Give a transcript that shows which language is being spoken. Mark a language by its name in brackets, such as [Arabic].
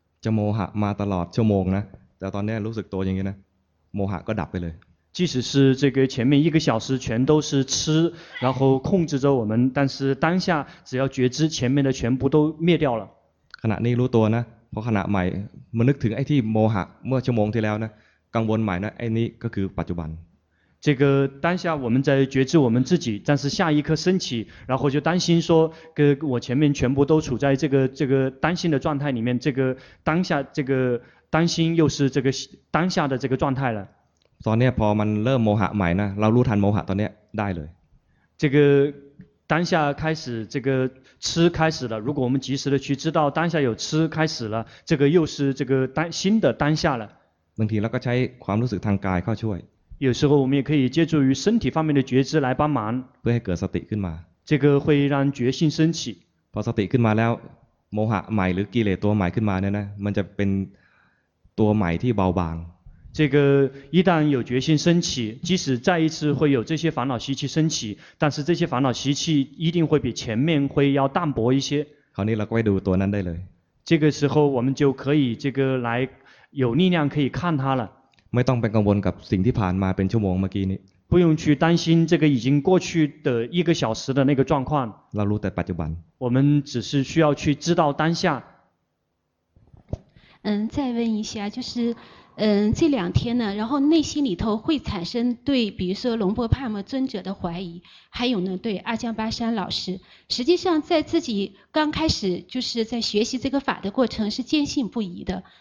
[Thai] จะโมหะมาตลอดชั่วโมงนะแต่ตอนนี้รู้สึกตัวอย่างนี้นะโมหะก็ดับไปเลย [Chinese] 即使是这个前面一个小时全都是吃然后控制着我们但是当下只要觉知前面的全部都灭掉了 [Thai] ขณะนี้รู้ตัวนะพอขณะใหม่มันนึกถึงไอ้ที่โมหะเมื่อชั่วโมงที่แล้วนะกังวลใหม่นะไอ้นี้ก็คือปัจจุบัน [Chinese] 这个当下我们在觉知我们自己但是下一刻升起然后就担心说跟我前面全部都处在这个担心的状态里面这个当下这个担心又是这个当下的这个状态了 [Thai] ตอนนี้พอมันเริ่มโมหะใหม่นะเรารู้ทันโมหะตอนนี้ได้เลย [Chinese] 这个当下开始这个吃开始了如果我们及时的去知道当下有吃开始了这个又是这个当新的当下了 [Thai] บางทีเราก็ใช้ความรู้สึกทางกายเข้าช่วย [Chinese] 有时候我们也可以借助于身体方面的觉知来帮忙 [Thai] เพื่อให้เกิดสติขึ้นมา [Chinese] 这个会让觉性升起 [Thai] พอสติขึ้นมาแล้วโมหะใหม่หรือกิเลสตัวใหม่ขึ้นมาเนี่ยนะมันจะเป็นตัวใหม่ที่เบาบาง [Chinese] 这个一旦有决心升起即使再一次会有这些烦恼习气升起但是这些烦恼习气一定会比前面会要淡薄一些 [Thai] คราวนี้เราก็ไปดูตัวนั้นได้เลย [Chinese] 这个时候我们就可以这个来有力量可以看它了 [Thai] ไม่ต้องไปกังวลกับสิ่งที่ผ่านมาเป็นชั่วโมงเมื่อกี้นี้ [Chinese] 不用去担心这个已经过去的一个小时的那个状况 [Thai] เรารู้แต่ปัจจุบัน [Chinese] 我们只是需要去知道当下再问一下就是这两天呢然后内心里头会产生对比如说龙波帕摩尊者的怀疑还有呢对阿姜巴山老师实际上在自己刚开始就是在学习这个法的过程是坚信不疑的